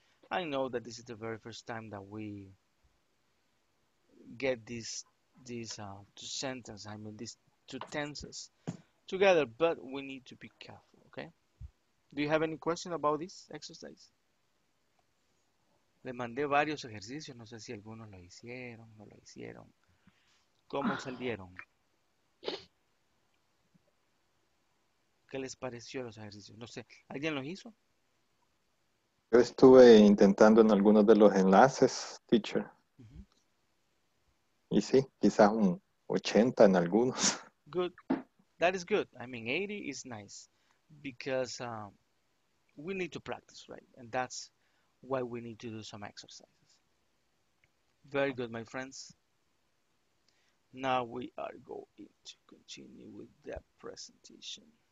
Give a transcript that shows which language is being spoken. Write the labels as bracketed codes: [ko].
[en] I know that this is the very first time that we get these two tenses together, but we need to be careful, okay? Do you have any question about this exercise? [es] Le mandé varios ejercicios, no sé si algunos lo hicieron, no lo hicieron. ¿Cómo salieron? ¿Qué les pareció los ejercicios? No sé, ¿alguien los hizo? Yo estuve intentando en algunos de los enlaces, teacher. Uh-huh. Y sí, quizás un 80 en algunos. [en] Good, that is good. I mean, 80 is nice because we need to practice, right? And that's why we need to do some exercises. Very good, my friends. Now we are going to continue with the presentation.